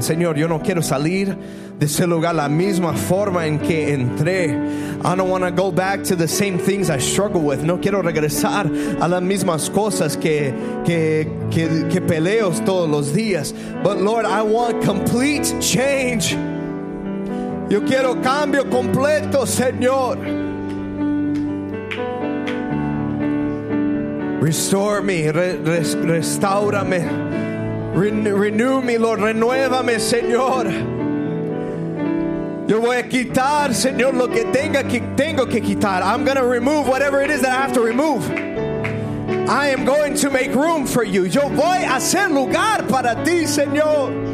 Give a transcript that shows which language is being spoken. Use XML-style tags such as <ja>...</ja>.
<es>Señor, yo no quiero salir de ese lugar la misma forma en que entré.</es> <en>I don't want to go back to the same things I struggle with.</en> <es>No quiero regresar a las mismas cosas que peleo todos los días.</es> <en>But Lord, I want complete change.</en> <es>Yo quiero cambio completo, Señor.</es> <en>Restore me,</en> <es>restaurame,</es> <en>renew me, Lord,</en> <es>renuévame, Señor. Yo voy a quitar, Señor, lo que tengo que quitar.</es> <en>I'm going to remove whatever it is that I have to remove. I am going to make room for you.</en> <es>Yo voy a hacer lugar para ti, Señor.</es>